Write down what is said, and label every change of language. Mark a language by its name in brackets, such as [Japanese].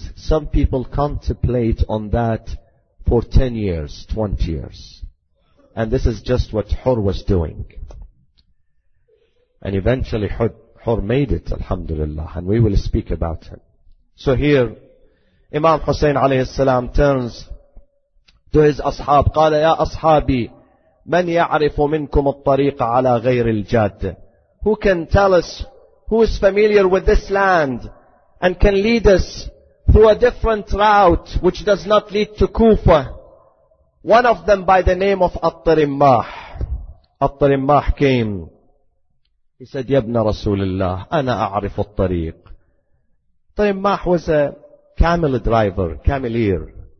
[English] Some people contemplate on that for 10 years, 20 years. And this is just what Hur was doing. And eventually Hur made it, alhamdulillah. And we will speak about him. So here, Imam Hussein alayhi salam turns to his ashab. [Arabic] قال يا أصحابي من يعرف منكم الطريق على غير الجادة. [English] Who can tell us, who is familiar with this land and can lead us through a different route which does not lead to Kufa? One of them by the name of At-Tarimmah. At-Tarimmah came. He said, [Arabic] Ya Ibn Rasulullah, Ana A'rifu At-Tariq. [English] At-Tarimmah was a camel driver, cameleer.